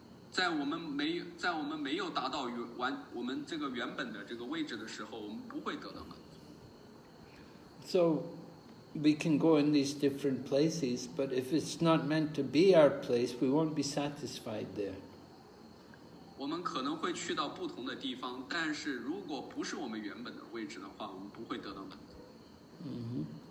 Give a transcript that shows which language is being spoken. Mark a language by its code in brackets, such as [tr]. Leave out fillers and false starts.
[zh] 在我们没有达到完我们这个原本的这个位置的时候，我们不会得到满足。 [en] So we can go in these different places, but if it's not meant to be our place, we won't be satisfied there. [zh] 我们可能会去到不同的地方，但是如果不是我们原本的位置的话，我们不会得到满足。